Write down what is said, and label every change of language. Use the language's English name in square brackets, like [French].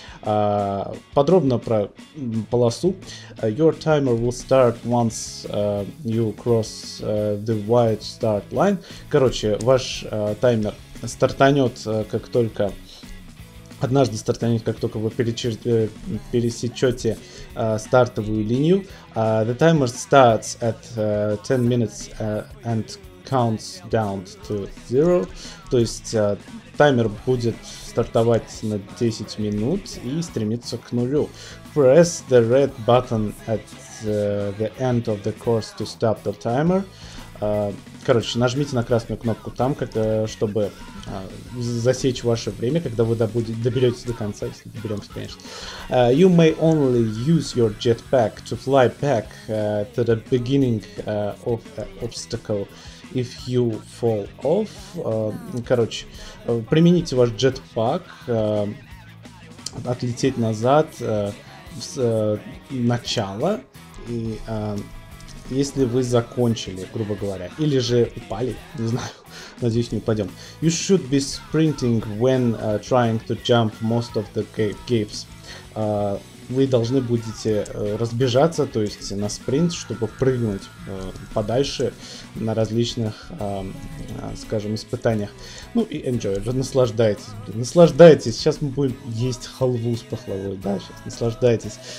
[Russian] Подробно про полосу. [English] Your timer will start once you cross the white start line. [Russian] Короче, ваш таймер стартанет, как только... Однажды стартанет, как только вы пересечете стартовую линию. [English] The timer starts at 10 minutes and counts down to zero. [Russian] То есть таймер будет стартовать на 10 минут и стремиться к нулю. [English] Press the red button at the end of the course to stop the timer. [Russian] Короче, нажмите на красную кнопку там, чтобы засечь ваше время, когда вы доберетесь до конца, если доберемся, конечно. [English] You may only use your jetpack to fly back to the beginning of an obstacle if you fall off. [Russian] Короче, примените ваш jetpack, отлететь назад с начала и... если вы закончили, грубо говоря, или же упали, не знаю, надеюсь, не упадем. [English] You should be sprinting when trying to jump most of the caves. [Russian] Вы должны будете разбежаться, то есть на спринт, чтобы прыгнуть подальше на различных, скажем, испытаниях. Ну и enjoy, наслаждайтесь, сейчас мы будем есть халву с пахлавой, да, сейчас наслаждайтесь.